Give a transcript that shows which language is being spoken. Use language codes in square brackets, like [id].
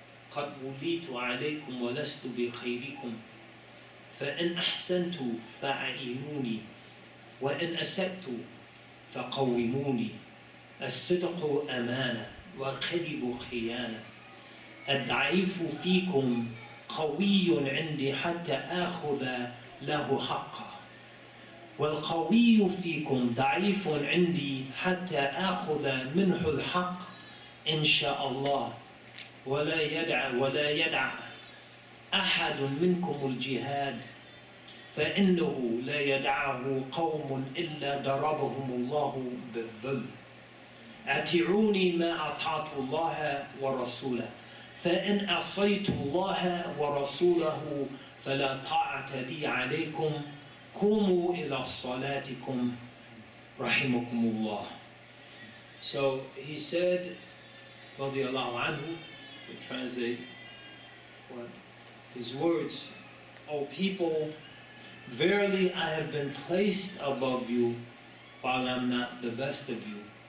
[ar] قد وليت عليكم ولست بخيركم فإن أحسنت فعينوني وإن أسأت فقوموني الصدق أمانة والكذب خيانة الضعيف فيكم قوي عندي حتى آخذ له حقه والقوي فيكم ضعيف عندي حتى آخذ منه الحق إن شاء الله ولا يدع أحد منكم الجهاد فإنه لا يدعه قوم إلا ضربهم الله بالذل. أطيعوني ما أطعت الله ورسوله، فإن عصيت الله ورسوله فلا طاعة لي عليكم، قوموا إلى صلاتكم رحمكم الله. [en] So he said, [ar] رضي الله عنه, [en] to translate what his words, O people, verily I have been placed above you while I'm not the best of you.